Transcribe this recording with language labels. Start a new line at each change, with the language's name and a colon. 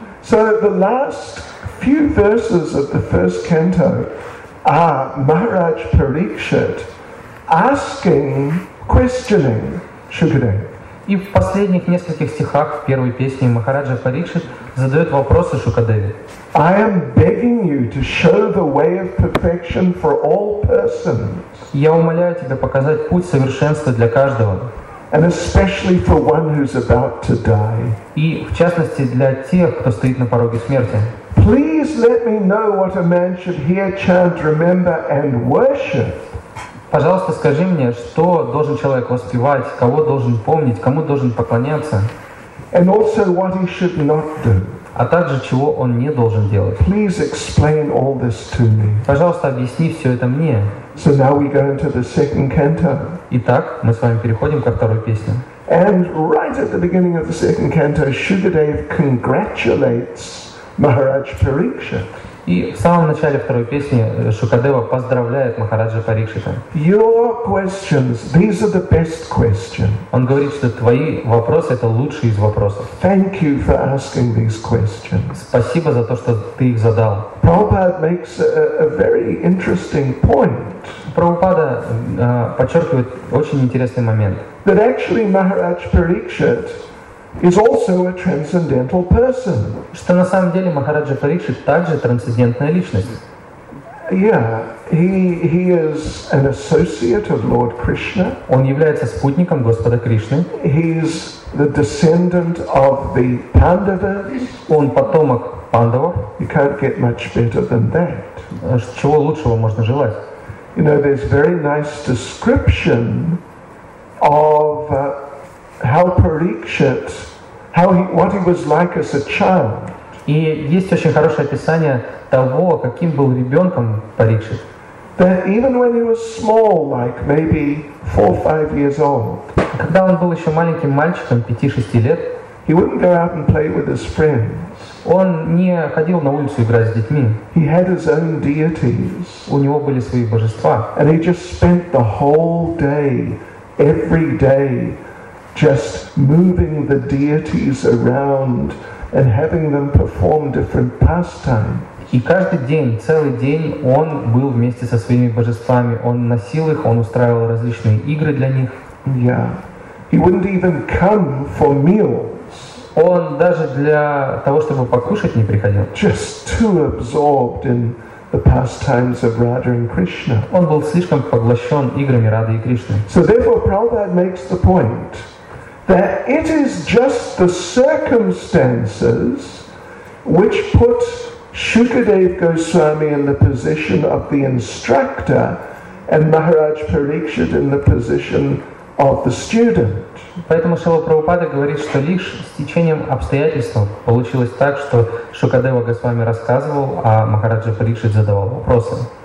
English: So the last few verses of the first canto are Maharaj Parikshit asking, questioning Shukadev.
Russian: И в последних нескольких стихах в первой песне Махараджа Парикшит задает вопросы Шукадеве.
English: I am begging you to show the way of perfection for all persons.
Russian: Я умоляю тебя показать путь совершенства для каждого.
English: And especially for one who's about to die.
Russian: И в частности для тех, кто стоит на пороге смерти.
English: Please let me know what a man should hear, chant, remember and worship.
Russian: Пожалуйста, скажи мне, что должен человек воспевать, кого должен помнить, кому должен поклоняться.
English: And also what he should not do.
Russian: А также, чего он не должен делать.
English: Please explain all this to me.
Russian: Пожалуйста, объясни все это мне.
English: So now we go into the second canto.
Russian: Итак, мы с вами переходим ко второй песне.
English: And right at the beginning of the second canto, Shukadev congratulates Maharaj Parikshit.
Russian: И в самом начале второй песни Шукадева поздравляет Махараджа Парикшита.
English: Your questions, these are the best questions.
Russian: Он говорит, что твои вопросы – это лучшие из вопросов.
English: Thank you for asking these questions.
Russian: Спасибо за то, что ты их задал.
English: Prabhupada makes a very interesting point.
Russian: Прабхупада подчеркивает очень интересный момент.
English: That actually Maharaj Parikshit is also a transcendental person.
Russian: Что на самом деле Махараджа Парикшит также трансцендентная личность.
English: Yeah, he is an associate of Lord Krishna.
Russian: Он является спутником Господа Кришны.
English: He is the descendant of the Pandavas.
Russian: Он потомок Пандавов.
English: You can't get much better than that.
Russian: Чего лучшего можно желать?
English: You know, there's very nice description of how Parikshit, what he was like as a child.
Russian: И есть очень хорошее описание того, каким был ребенком Парикшит.
English: That even when he was small, like maybe 4-5 years old.
Russian: Когда он был еще маленьким мальчиком, 5-6 лет.
English: He wouldn't go out and play with his friends.
Russian: Он не ходил на улицу играть с детьми.
English: He had his own deities.
Russian: У него были свои божества.
English: And he just spent the whole day, every day, just moving the deities around and having them perform different pastimes.
Russian: И каждый день, целый день он был вместе со своими божествами. Он носил их, он устраивал различные игры для них.
English: Yeah. He wouldn't even come for meals.
Russian: Он даже для того, чтобы покушать, не приходил.
English: Just too absorbed in the pastimes of Radha and Krishna.
Russian: Он был слишком поглощен играми Рады и Кришны.
English: So therefore Prabhupada makes the point that it is just the circumstances which put Shukadev Goswami in the position of the instructor and Maharaj Parikshit in the position of the student.
Russian: Поэтому Шрила Прабхупада говорит, что лишь стечением обстоятельств получилось так, что Шукадева Госвами рассказывал, а Махараджа Парикшит задавал вопросы.